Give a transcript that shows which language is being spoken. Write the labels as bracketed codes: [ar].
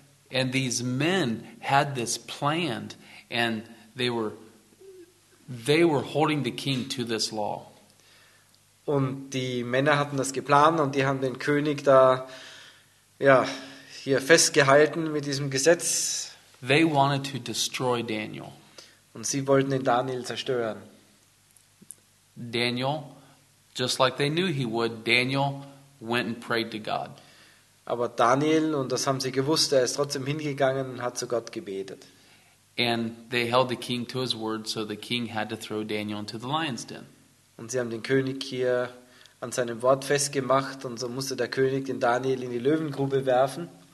[en] And these men had this planned, and they were holding the king to this law. [de] Und die Männer hatten das geplant und die haben den König da hier festgehalten mit diesem Gesetz. [en] They wanted to destroy Daniel. [de] Und sie wollten den Daniel zerstören. [en] Daniel, just like they knew he would, Daniel went and prayed to God. [de] Aber Daniel, und das haben sie gewusst, er ist trotzdem hingegangen und hat zu Gott gebetet. [en] And they held the king to his word, so the king had to throw Daniel into the lion's den. [de] Und sie haben den König hier an seinem Wort festgemacht und so musste der König den Daniel in die Löwengrube werfen.